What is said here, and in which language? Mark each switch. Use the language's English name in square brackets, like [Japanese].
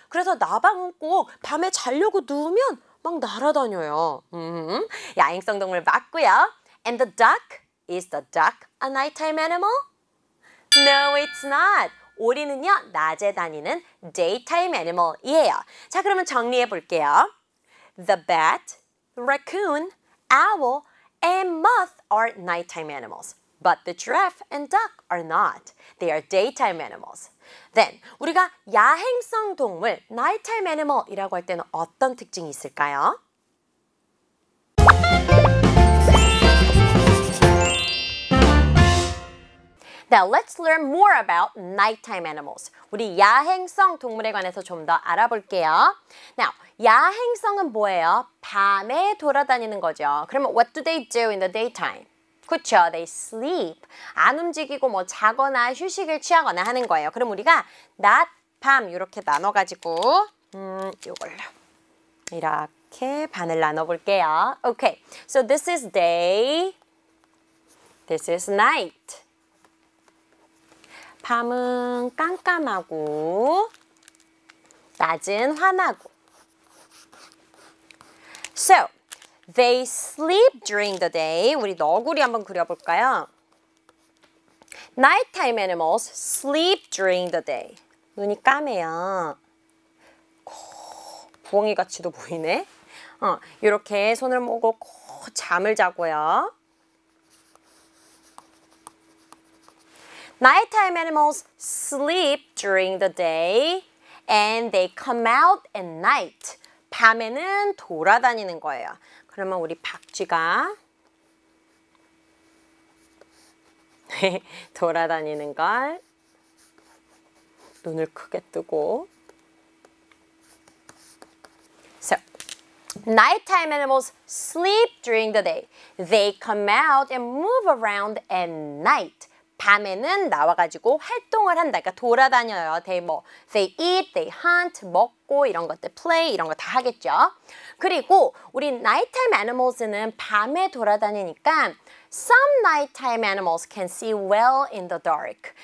[Korean] 그래서 나방은 꼭 밤에 자려고 누우면 막 날아다녀요. 야행성 동물 맞고요. [English] And the duck? Is the duck a nighttime animal? No, it's not. [Korean] 오리는요, 낮에 다니는 daytime animal이에요. 자, 그러면 정리해 볼게요. [English] The bat, raccoon, owl, and moth are nighttime animals. But the giraffe and duck are not. They are daytime animals. Then, [Korean] 우리가 야행성 동물, nighttime animal이라고 할 때는 어떤 특징이 있을까요? [English] 자, let's learn more about nighttime animals. [Korean] 우리 야행성 동물에 관해서 좀 더 알아볼게요. Now, 야행성은 뭐예요? 밤에 돌아다니는 거죠. [English] 그러면 what do they do in the daytime? 그렇죠. They sleep. [Korean] 안 움직이고 뭐 자거나 휴식을 취하거나 하는 거예요. 그럼 우리가 낮, 밤 이렇게 나눠가지고 이걸로 이렇게 이렇게 반을 나눠볼게요. [English] Okay, so this is day, this is night. [Korean] 밤은 깜깜하고, 낮은 환하고. [English] So, they sleep during the day. [Korean] 우리 너구리 한번 그려볼까요? [English] Nighttime animals sleep during the day. [Korean] 눈이 까매요. 부엉이 같이도 보이네. 이렇게 손을 모으고 잠을 자고요. [English] Nighttime animals sleep during the day and they come out at night. [Korean] 밤에는 돌아다니는 거예요. 그러면 우리 박쥐가 돌아다니는 걸 눈을 크게 뜨고 [English] So, nighttime animals sleep during the day. They come out and move around at night. [Korean] 밤에는 나와가지고 활동을 한다. 그러니까 돌아다녀요. [English] They eat, they hunt, [Korean] 먹고 이런 것들, play 이런 거 다 하겠죠. 그리고 우리 nighttime animals는 밤에 돌아다니니까 [English] Some nighttime animals can see well in the dark.